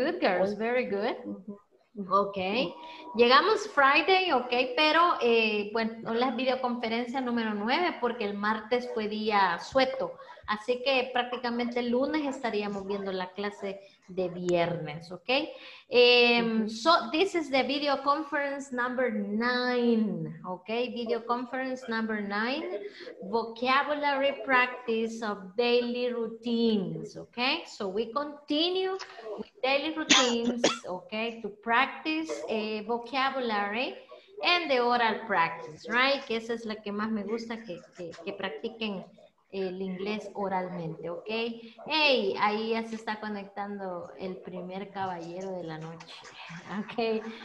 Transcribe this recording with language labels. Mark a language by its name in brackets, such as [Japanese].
[English] Good, girls, very good. [Spanish] Okay, llegamos Friday, okay, pero bueno, la videoconferencia número 9, porque el martes fue día sueto, así que prácticamente el lunes estaríamos viendo la clase de viernes, okay. [English] So this is the video conference number 9, okay, video conference number 9, vocabulary practice of daily routines, okay. So we continue with daily routines, okay, to practice vocabulary and the oral practice, right? [Spanish] Que esa es la que más me gusta, que practiquen el inglés oralmente, ¿ok? Hey, ahí ya se está conectando el primer caballero de la noche, ¿ok?